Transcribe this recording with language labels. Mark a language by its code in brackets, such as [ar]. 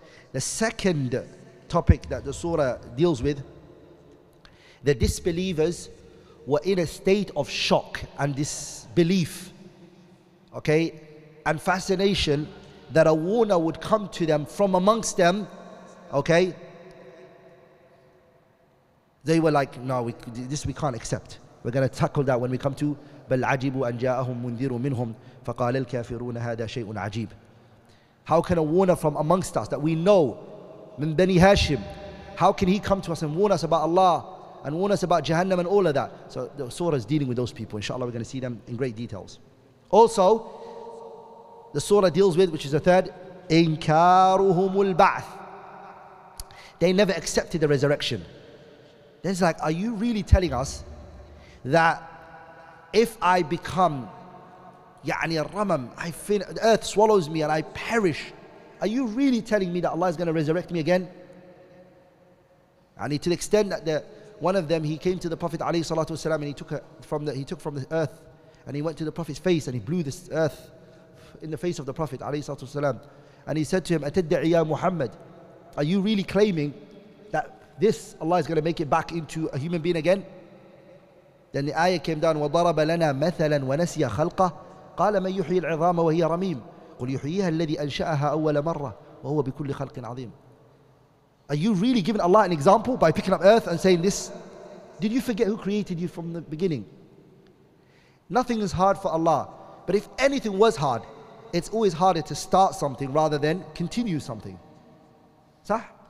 [en] The second topic that the surah deals with, the disbelievers were in a state of shock and disbelief, okay, and fascination that a warner would come to them from amongst them, okay? They were like, no, we can't accept. We're going to tackle that when we come to [ar] بَلْ عَجِبُوا أَنْ جَاءَهُمْ مُنْذِرٌ مِّنْهُمْ فَقَالَ الْكَافِرُونَ هَذَا شَيْءٌ عَجِيبٌ. [en] How can a warner from amongst us that we know, [ar] مِنْ بَنِي هَاشِمْ, [en] how can he come to us and warn us about Allah and warn us about Jahannam and all of that? So the surah is dealing with those people. Inshallah, we're going to see them in great details. Also, the surah deals with, which is the third, [ar] إِنْكَارُهُمُ الْبَعْثِ. [en] They never accepted the resurrection. It's like, are you really telling us that if I become [ar] يعني الرمم, [en] the earth swallows me and I perish, are you really telling me that Allah is going to resurrect me again? And to the extent that one of them, he came to the Prophet [ar] عليه الصلاة والسلام, [en] and he took from the earth and he went to the Prophet's face and he blew this earth in the face of the Prophet عليه الصلاة والسلام, and he said to him, [ar] أتدعي يا محمد, [en] are you really claiming that this Allah is going to make it back into a human being again? Then the ayah came down, [ar] وضرب لنا مثلا ونسي خلقه قال من يحيي العظام وهي رميم قل يحييها الذي أنشأها أول مرة وهو بكل خلق عظيم. [en] Are you really giving Allah an example by picking up earth and saying this? Did you forget who created you from the beginning? Nothing is hard for Allah. But if anything was hard, it's always harder to start something rather than continue something. Sah?